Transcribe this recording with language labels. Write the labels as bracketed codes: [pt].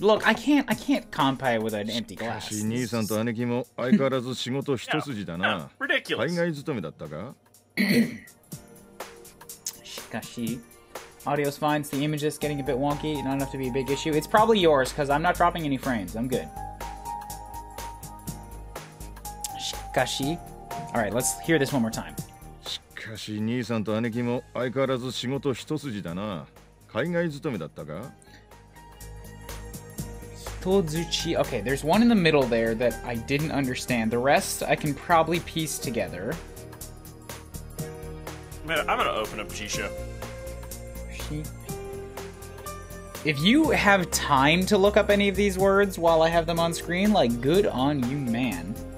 [en] Look, I can't kanpai with an empty glass. [ja] しかし兄さんと兄貴も相変わらず仕事一筋だな。 [en] Ridiculous. [ja] 海外勤めだったか。しかし、 [en] audio's fine. The image is getting a bit wonky. Not enough to be a big issue. It's probably yours because I'm not dropping any frames. I'm good. [ja] しかし、 [en] all right, let's hear this one more time. [ja] しかし兄さんと兄貴も相変わらず仕事一筋だな。海外勤めだったか？人づち。 [en] Okay, there's one in the middle there that I didn't understand. The rest I can probably piece together. Man, I'm gonna open up G-Show. If you have time to look up any of these words while I have them on screen, like, good on you, man.